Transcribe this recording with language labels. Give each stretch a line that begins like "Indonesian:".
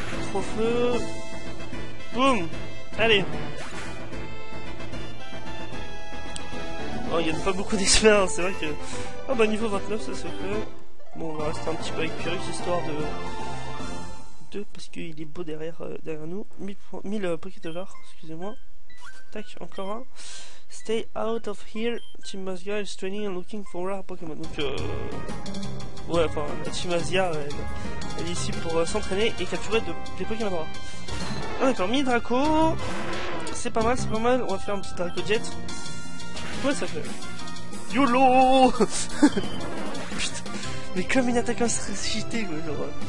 French: Trop feu... Boum! Allez! Oh, il y a pas beaucoup d'expérience, c'est vrai que. Ah oh, bah, niveau 29, ça se fait. Bon, on va rester un petit peu avec Pyrus histoire de. Deux, parce qu'il est beau derrière, derrière nous. 1000 Poké Dollars, excusez-moi. Tac, encore un.
English: Stay out of here, Team Asia is training and looking for rare Pokémon.
French: Donc, Ouais, enfin, la Team Asia, elle est ici pour s'entraîner et capturer des Pokémon rares. Ah d'accord, mini Draco, c'est pas mal, c'est pas mal, on va faire un petit Draco Jet. Quoi ça fait? YOLO. Putain, mais comme une attaque insécurité, quoi, genre...